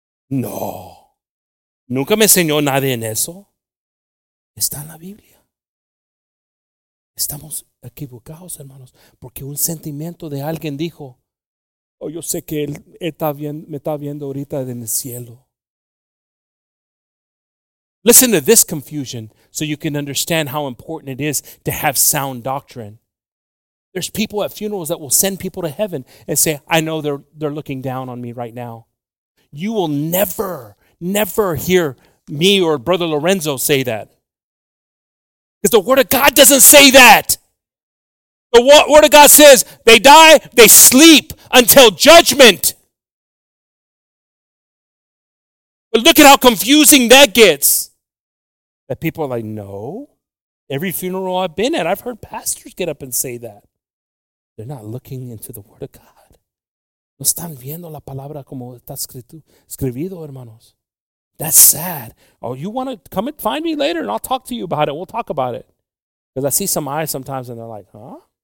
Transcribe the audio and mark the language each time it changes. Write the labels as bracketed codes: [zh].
[es] No. Nunca me enseñó nadie en eso. Está en la Biblia. Estamos equivocados, hermanos, porque un sentimiento de alguien dijo, oh, yo sé que me está viendo ahorita en el cielo. [en] Listen to this confusion so you can understand how important it is to have sound doctrine. There's people at funerals that will send people to heaven and say, I know they're looking down on me right now. You will never, never hear me or Brother Lorenzo say that. Because the Word of God doesn't say that. The Word of God says, they die, they sleep until judgment. But look at how confusing that gets. That people are like, no. Every funeral I've been at, I've heard pastors get up and say that. They're not looking into the Word of God. [es] No están viendo la palabra como está escrito, hermanos. [en] That's sad. Oh, you want to come and find me later and I'll talk to you about it. We'll talk about it. Because I see some eyes sometimes and they're like, huh?